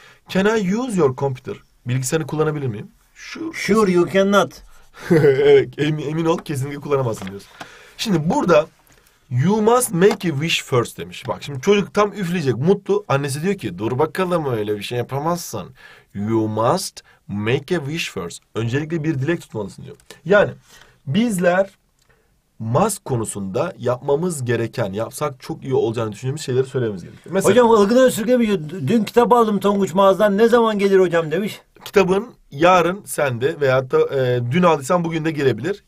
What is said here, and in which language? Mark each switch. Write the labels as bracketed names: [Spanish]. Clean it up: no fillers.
[English] Can I use your computer? [Turkish] Bilgisayarını kullanabilir miyim? [English] Sure, you cannot. [Turkish] Evet, emin ol kesinlikle kullanamazsın diyoruz. Şimdi burada [English] you must make a wish first [Turkish] demiş. Bak şimdi çocuk tam üfleyecek, mutlu. Annesi diyor ki dur bakalım öyle bir şey yapamazsın. [English] You must make a wish first. [Turkish] Öncelikle bir dilek tutmalısın diyor. Yani bizler must konusunda yapmamız gereken, yapsak çok iyi olacağını düşündüğümüz şeyleri söylememiz gerekiyor. Mesela, hocam ılgına ısırgı bir dün kitap aldım Tonguç mağazadan, ne zaman gelir hocam demiş. Kitabın yarın sende veyahut da dün aldıysan bugün de gelebilir.